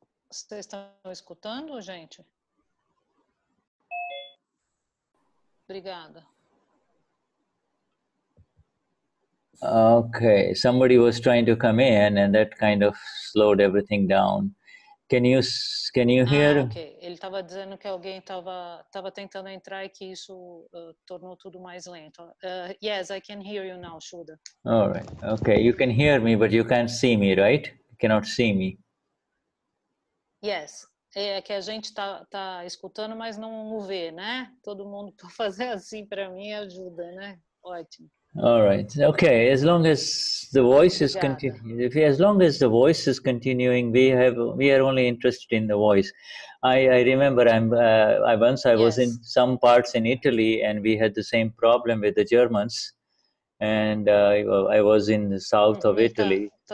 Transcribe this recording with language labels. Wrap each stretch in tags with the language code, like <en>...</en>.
<pt>Vocês estão escutando, gente? Obrigada.</pt> <en>Okay, somebody was trying to come in and that kind of slowed everything down. Can you hear? Ah, okay.</en> <pt>Ele estava dizendo que alguém estava tentando entrar e que isso tornou tudo mais lento.</pt> <en>Yes, I can hear you now, Shuda. All right. Okay, you can hear me, but you can't see me, right? Cannot see me.</en> <pt>Yes, é que a gente tá escutando, mas não o vê, né? Todo mundo pode fazer assim para mim ajuda, né? Ótimo.</pt> <en>All right. Okay. As long as the voice is continuing, as long as the voice is continuing, we are only interested in the voice. I remember I was in some parts in Italy, and we had the same problem with the Germans, and I was in the south of Italy.</en>